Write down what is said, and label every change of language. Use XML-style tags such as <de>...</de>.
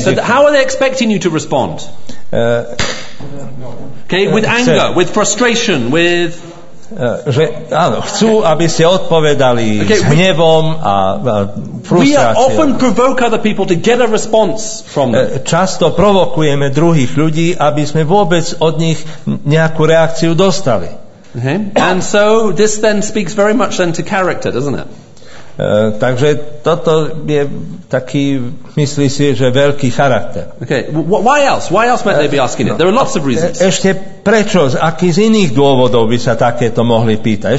<en>So how are they expecting you to respond? With anger, so, with frustration, with...</en> <sk>Že áno, chcú, aby ste odpovedali s hnevom a frustráciou.</sk> <en>We often provoke other people to get a response from them.</en> <sk>Často provokujeme druhých ľudí, aby sme vôbec od nich nejakú reakciu dostali.</sk> <en>Okay. And so this then speaks very much then to character, doesn't it?</en> <sk>Takže toto je taký, myslí si, že veľký charakter.</sk> <en>Okay, why else? Why else might they be asking it? There are lots of reasons.</en> <sk>Ešte prečo, z akých z iných dôvodov by sa takéto mohli pýtať?</sk>